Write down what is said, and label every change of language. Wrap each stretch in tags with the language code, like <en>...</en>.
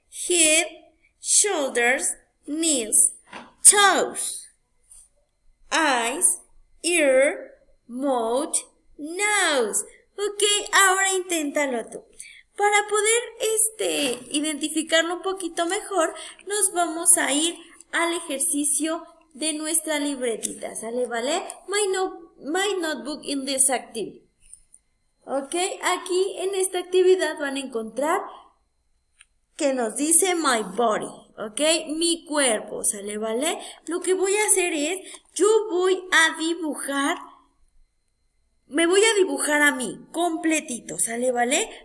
<en>Head, shoulders, knees, toes, eyes, ear, mouth, nose.</en> <es>Ok, ahora inténtalo tú. Para poder identificarlo un poquito mejor, nos vamos a ir al ejercicio de nuestra libretita, ¿sale, vale?</es> <en>My notebook in this activity.</en> <es>Ok, aquí en esta actividad van a encontrar que nos dice</es> <en>my body,</en> <es>¿ok? Mi cuerpo, ¿sale, vale? Lo que voy a hacer es, yo voy a dibujar, me voy a dibujar a mí completito, ¿sale, vale?</es>